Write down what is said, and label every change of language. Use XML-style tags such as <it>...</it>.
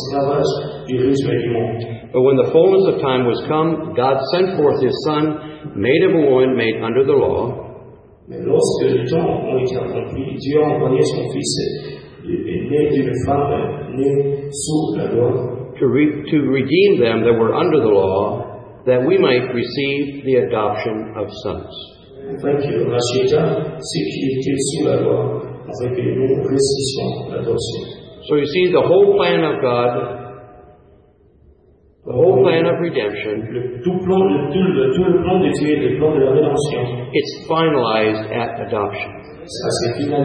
<en>But when the fullness of time was come, God sent forth his Son, made of a woman made under the law.</en> <fr>Mais lorsque le temps a été accompli, Dieu a envoyé son Fils, né d'une femme, né sous la loi,</fr> <en>to redeem them that were under the law, that we might receive the adoption of sons.</en> <fr>Afin que nous rachetions ceux qui étaient sous la loi, afin que nous réussissions l'adoption.</fr> <en>So you see, the whole plan of God, the whole plan of redemption, it's finalized at adoption.</en>